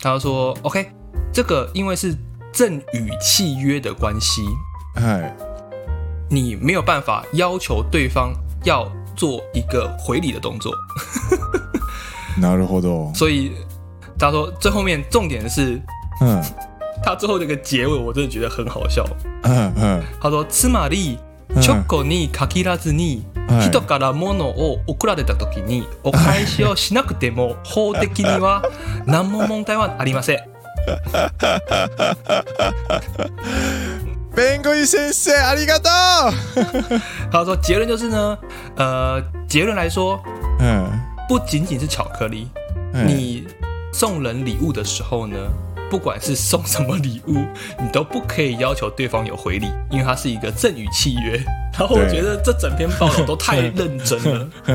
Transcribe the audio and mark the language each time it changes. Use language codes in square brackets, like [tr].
[zh] 他说 ：“OK， 这个因为是赠与契约的关系，你没有办法要求对方。” 要做一个回礼的动作， [ja] なるほど。 [zh] 所以他说最后面重点是，他最后这个结尾我真的觉得很好笑。他说 [ja] つまりチョコに限らずに人から物を送られた時にお返しをしなくても法的には何も問題はありません。弁護士先生，ありがとう。 [zh] 他说结论就是呢，结论来说，不仅仅是巧克力，你送人礼物的时候呢，不管是送什么礼物，你都不可以要求对方有回礼，因为它是一个赠与契约。然后我觉得这整篇报道都太认真了。